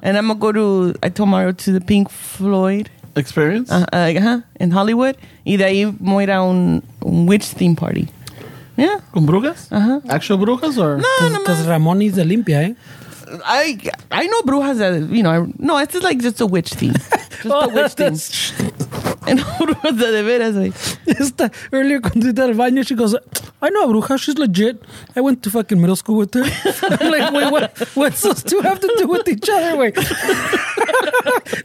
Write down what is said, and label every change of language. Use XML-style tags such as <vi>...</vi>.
<en>And I'm going to go tomorrow to the Pink Floyd Experience? In Hollywood.</en> <es>Y de ahí voy a ir a un</es> <en>witch theme party. Yeah.</en> <es>¿Con brujas? Uh-huh.</es> <en>¿Actual brujas or?</en> <es>No, no,</es> <en>because Ramón is</en> <es>de limpia,</es> <en>¿eh? I know brujas that, you know, this is like just a witch theme. Just a witch theme. And</en> <es>brujas de veras, güey.</es> <en>Earlier,</en> <es>cuando estaba en el baño,</es> <en>she goes, I know a bruja, she's legit. I went to fucking middle school with her. I'm like, wait, what's those two have to do with each other, güey?</en>